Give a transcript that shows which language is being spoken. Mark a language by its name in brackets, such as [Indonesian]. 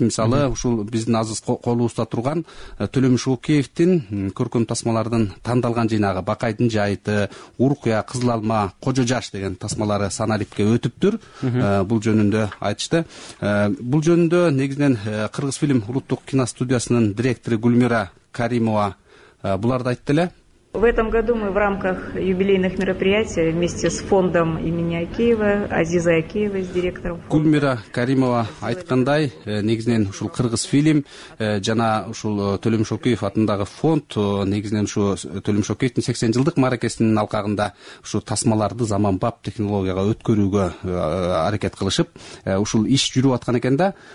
[Kyrgyz] Мисалы ушул биздин азыр колубузда турган Төлөмүш Океевдин көркөм тасмалардын тандалган жыйнагы, Бакайдын жайыты, Уркуя, Кызыл алма, Кожо жаш деген тасмалары санарипке өтүптүр. Бул жөнүндө айтышты. Бул жөнүндө негизинен кыргыз фильм улуттук киностудиясынын директору Гүлмира Каримова булар да айтты эле. [Russian] В этом году мы в рамках юбилейных мероприятий вместе с фондом имени Акеева, Азиза Акеева, с директором фонда. [Kyrgyz] Гүлмира Каримова айткандай, негизинен ушул кыргыз фильм жана ушул Төлөмүш Океев атындагы фонд негизинен ушу Төлөмүш Океевдин 80 жылдык мааракесинин алкагында ушул тасмаларды заманбап технологияга өткөрүүгө аракет кылышып ушул иш жүрүп аткан экен да.